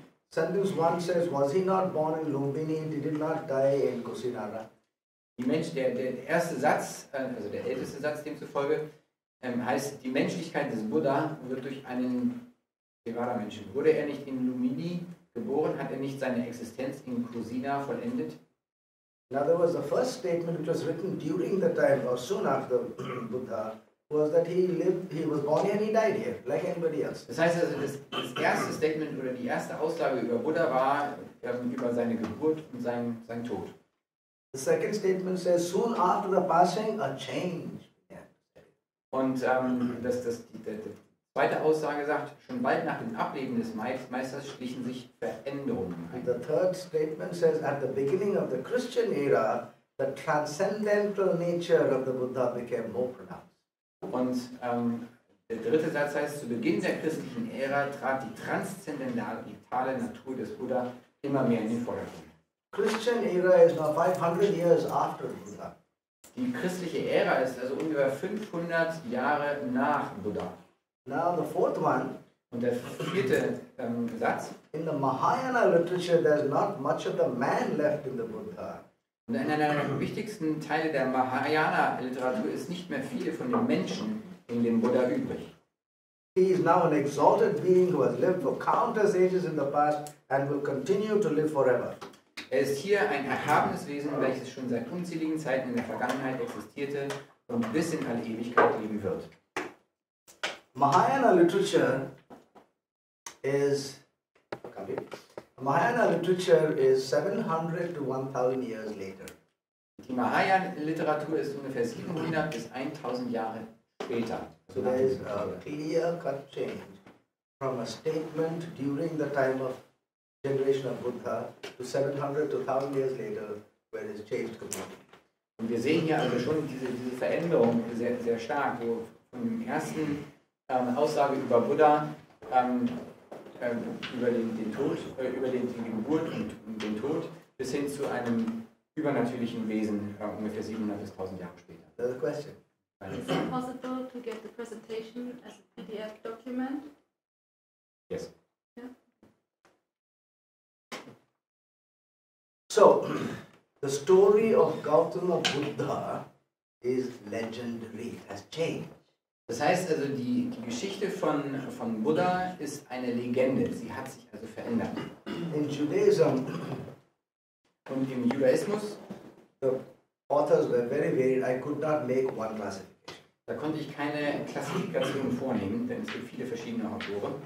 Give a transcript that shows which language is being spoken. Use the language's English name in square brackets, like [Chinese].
[English] Sentence 1 says, was he not born in Lumbini? Did he not die in Kusinara? [German] Die Mensch, der erste Satz, also der älteste Satz demzufolge, heißt, die Menschlichkeit des Buddha wird durch einen Devara-Menschen. Wurde er nicht in Lumbini geboren, hat er nicht seine Existenz in Kusina vollendet? [English] In other words, the first statement which was written during the time or soon after Buddha was that he was born here and he died here, like anybody else. [German] Das heißt also, das erste Statement oder die erste Aussage über Buddha war über seine Geburt und sein Tod. [English] The second statement says, soon after the passing, a change. Yeah. [German] Und die zweite Aussage sagt, schon bald nach dem Ableben des Meisters schlichen sich Veränderungen ein. [English] The third statement says, at the beginning of the Christian era, the transcendental nature of the Buddha became more pronounced. [German] Und der dritte Satz heißt, zu Beginn der christlichen Ära trat die transzendentale Natur des Buddha immer mehr in den Vordergrund. [English] Christian era is now 500 years after Buddha. [German] Die christliche Ära ist also ungefähr 500 Jahre nach Buddha. [English] Now the fourth one, [German] Und der vierte Satz. [English] In the Mahayana literature, there's not much of the man left in the Buddha. [German] Und in einer der wichtigsten Teile der Mahayana Literatur ist nicht mehr viel von dem Menschen in dem Buddha übrig. [English] He is now an exalted being who has lived for countless ages in the past and will continue to live forever. [German] Er ist hier ein erhabenes Wesen, welches schon seit unzähligen Zeiten in der Vergangenheit existierte und bis in alle Ewigkeit leben wird. [English] Mahayana literature is, Mahayana literature is 700 to 1000 years later. [German] Die Mahayana Literatur ist ungefähr 700 bis 1000 Jahre später. [English] So there is a clear cut change from a statement during the time of generation of Buddha to 700 to 1000 years later, where it is changed completely. [German] Und wir sehen hier also schon diese Veränderung sehr, sehr stark, wo von dem ersten Aussage über Buddha über den Tod, über die Geburt und den Tod, bis hin zu einem übernatürlichen Wesen, ungefähr 700 bis 1000 Jahre später. [English] Another question. Is it possible to get the presentation as a PDF document? Yes. Yeah. So, the story of Gautama Buddha is legendary, has changed. [German] Das heißt also, die Geschichte von Buddha ist eine Legende. Sie hat sich also verändert. [English] In Judaism [German] und im Judaismus, [English] the authors were very varied. I could not make one classification. [German] Da konnte ich keine Klassifikation vornehmen, denn es gibt viele verschiedene Autoren.